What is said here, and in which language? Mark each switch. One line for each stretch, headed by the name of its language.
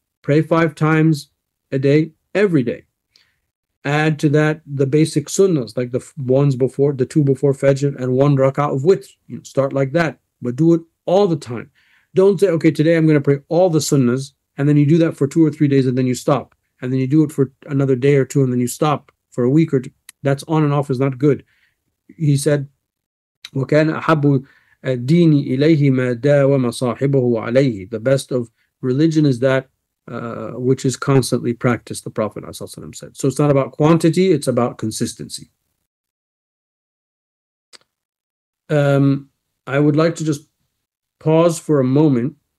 English: Pray 5 times a day, every day. Add to that the basic sunnahs, like the ones before, the 2 before Fajr and 1 rak'ah of witr. You know, start like that, but do it all the time. Don't say, okay, today I'm going to pray all the sunnahs, and then you do that for 2 or 3 days and then you stop. And then you do it for another day or two and then you stop for a week or two. That's on and off is not good. He said,
Arabic: وَكَانَ أَحَبُّ الدِّينِ إِلَيْهِ مَا دَاوَمَ صَاحِبَهُ عَلَيْهِ.
English: The best of religion is that which is constantly practiced, the Prophet ﷺ said. So it's not about quantity, it's about consistency. I would like to just pause for a moment.